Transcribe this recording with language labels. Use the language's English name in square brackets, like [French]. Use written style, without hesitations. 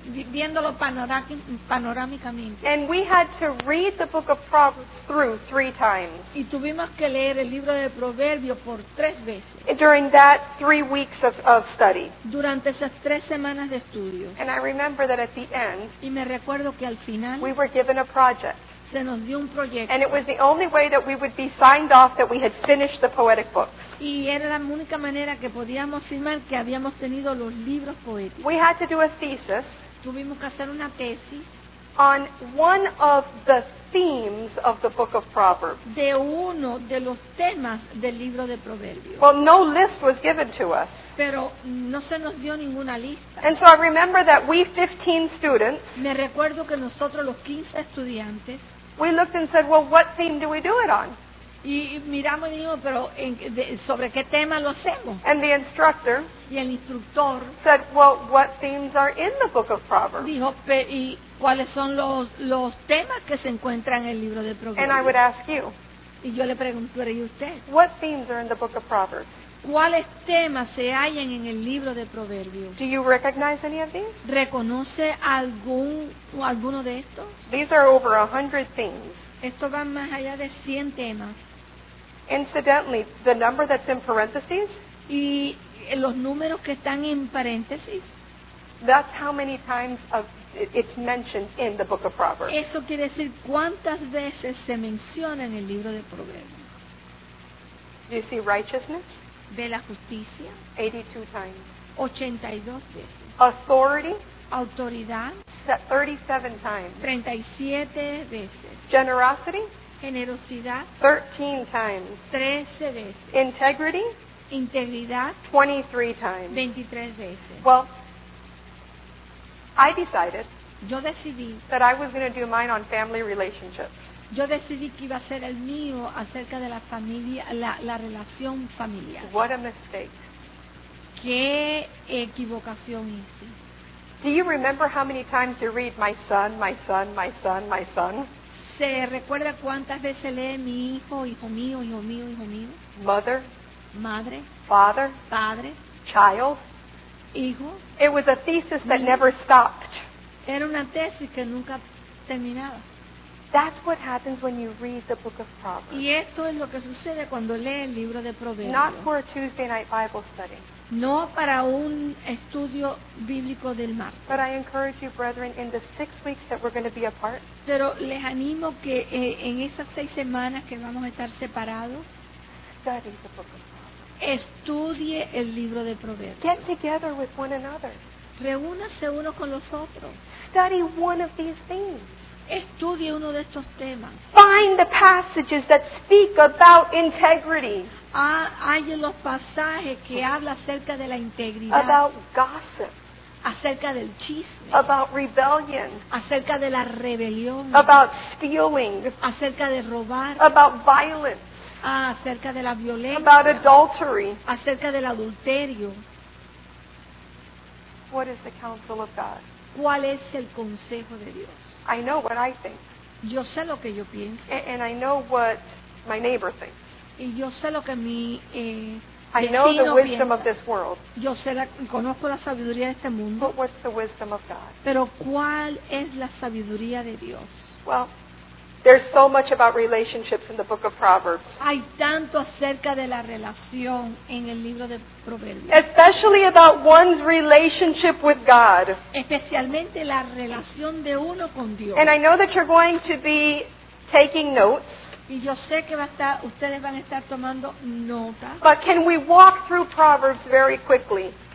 [Spanish] Viéndolo panorámicamente. [English] And we had to read the book of Proverbs through three times. [Spanish] Y tuvimos que leer el libro de Proverbios por tres veces. [English] During that 3 weeks of study. [Spanish] Durante esas tres semanas de estudio. [English] And I remember that at the end. [Spanish] Y me recuerdo que al final. [English] We were given a project. [Spanish] Se nos dio un proyecto. [English] And it was the only way that we would be signed off that we had finished the poetic books. [Spanish] Y era la única manera que podíamos firmar que habíamos tenido los libros poéticos. [English] We had to do a thesis. [Spanish] Tuvimos que hacer una tesis. [English] On one of the themes of the book of Proverbs. [Spanish] De uno de los temas del libro de Proverbios. [English] Well, no list was given to us. [Spanish] Pero no se nos dio ninguna lista. [English] And so I remember that we 15 students. [Spanish] Me recuerdo que nosotros los 15 estudiantes. [English] We looked and said, well, what theme do we do it on? [Spanish] Y miramos y dijimos, pero ¿sobre qué tema lo hacemos? [English] And the instructor. [Spanish] Y el instructor. [English] Said, well, what themes are in the book of Proverbs? [Spanish] Dijo, ¿y cuáles son los temas que se encuentran en el libro de Proverbios? [English] And I would ask you. [Spanish] Y yo le pregunto, ¿y usted? [English] What themes are in the book of Proverbs? [Spanish] ¿Cuáles temas se hallan en el libro de Proverbios? [English] Do you recognize any of these? [Spanish] ¿Reconoce alguno de estos? [English] These are over 100 themes. [Spanish] Esto va más allá de 100 temas. [English] Incidentally, the number that's in parentheses. [Spanish] Y los números que están en paréntesis. [English] That's how many times it's mentioned in the book of Proverbs. [Spanish] Eso quiere decir cuántas veces se menciona en el libro de Proverbios. [English] Do you see righteousness? [Spanish] De la justicia. [English] 82 times. [Spanish] 82 veces. [English] Authority. [Spanish] Autoridad. [English] 37 times. [Spanish] 37 veces. [English] Generosity. [Spanish] Generosidad. [English] 13 times. [Spanish] 13 veces. [English] Integrity. [Spanish] Integridad. [English] 23 times. [Spanish] 23 veces. [English] Well, I decided. [Spanish] Yo decidí. [English] That I was going to do mine on family relationships. [Spanish] Yo decidí que iba a ser el mío acerca de la familia, la relación familiar. [English] What a mistake. [Spanish] Qué equivocación hice. [English] Do you remember how many times you read my son, my son, my son, my son? [Spanish] ¿Se recuerda cuántas veces lee mi hijo, hijo mío, hijo mío, hijo mío? [English] Mother. [Spanish] Madre. [English] Father. [Spanish] Padre. [English] Child. [Spanish] Hijo. [English] It was a thesis that never stopped. [Spanish] Era una tesis que nunca terminaba. [English] That's what happens when you read the book of Proverbs. [Spanish] Y esto es lo que sucede cuando lee el libro de Proverbios. [English] Not for a Tuesday night Bible study. [Spanish] No para un estudio bíblico del martes. [English] But I encourage you, brethren, in the 6 weeks that we're going to be apart. [Spanish] Pero les animo que en esas 6 semanas que vamos a estar separados, [English] study the book of Proverbs. [Spanish] Estudie el libro de Proverbios. [English] Get together with one another. [Spanish] Reúnase uno con los otros. [English] Study one of these things. [Spanish] Estudie uno de estos temas. [English] Find the passages that speak about integrity. [Spanish] Hay los pasajes que habla acerca de la integridad. [English] About gossip. [Spanish] Acerca del chisme. [English] About rebellion. [Spanish] Acerca de la rebelión. [English] About stealing. [Spanish] Acerca de robar. [English] About violence. [Spanish] Acerca de la violencia. [English] About adultery. [Spanish] Acerca del adulterio. [English] What is the counsel of God? [Spanish] ¿Cuál es el consejo de Dios? [English] I know what I think. [Spanish] Yo sé lo que yo pienso. [English] And I know what my neighbor thinks. [Spanish] Y yo sé lo que mi [English] I know the wisdom [Spanish] piensa. [English] Of this world. [Spanish] Yo sé conozco la sabiduría de este mundo. [English] But what's the wisdom of God? [Spanish] Pero ¿cuál es la sabiduría de Dios? [English] Well, there's so much about relationships in the book of Proverbs. [Spanish] Hay tanto acerca de la relación en el libro de Proverbios. [English] Especially about one's relationship with God. [Spanish] Especialmente la relación de uno con Dios. [English] And I know that you're going to be taking notes. [Spanish] Y yo sé que ustedes van a estar tomando notas. [English] But can we walk through Proverbs very quickly?